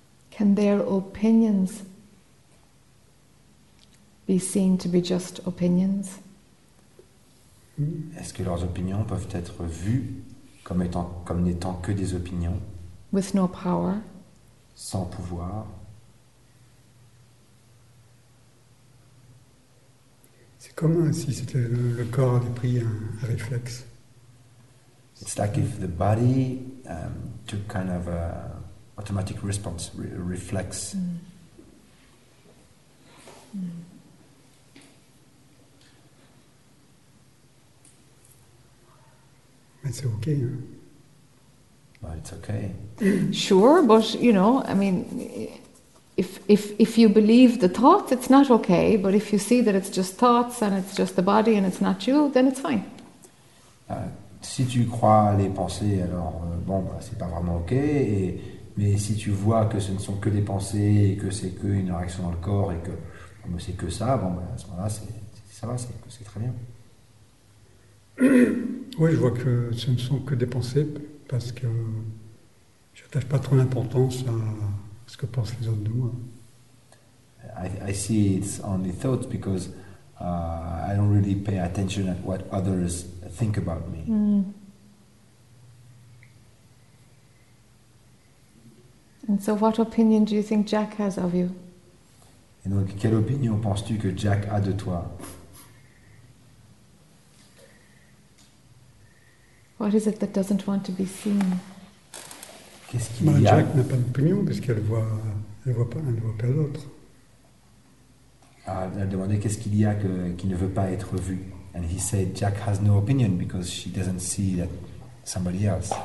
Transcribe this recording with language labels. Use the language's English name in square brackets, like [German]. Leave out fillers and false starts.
[English] Can their opinions be seen to be just opinions? [French] Est-ce que leurs opinions peuvent être vues comme n'étant que des opinions? [English] With no power. [French] Sans pouvoir. C'est comme si c'était le corps avait pris un réflexe. [English] It's like if the body took kind of a automatic response, reflex. [French] Mais c'est okay. [English] But it's okay. Sure, but you know, I mean, if you believe the thoughts, it's not okay. But if you see that it's just thoughts and it's just the body and it's not you, then it's fine. [French] Si tu crois les pensées, alors bon, bah, c'est pas vraiment okay. Mais si tu vois que ce ne sont que des pensées et que c'est que une réaction dans le corps et que bon, c'est que ça, bon, ben, à ce moment-là, c'est très bien. Oui, je vois que ce ne sont que des pensées parce que je n'attache pas trop d'importance à ce que pensent les autres de moi. [English] I see it's only thoughts because I don't really pay attention at what others think about me. And so what opinion do you think Jack has of you? [French] Et donc, quelle opinion penses-tu que Jack a de toi? [English] What is it that doesn't want to be seen? [French] Qu'est-ce qu'il y a? Jack n'a pas d'opinion parce qu'elle ne voit pas l'autre. Elle demandait qu'est-ce qu'il y a qui ne veut pas être vu. [English] And he said Jack has no opinion because she doesn't see that somebody else.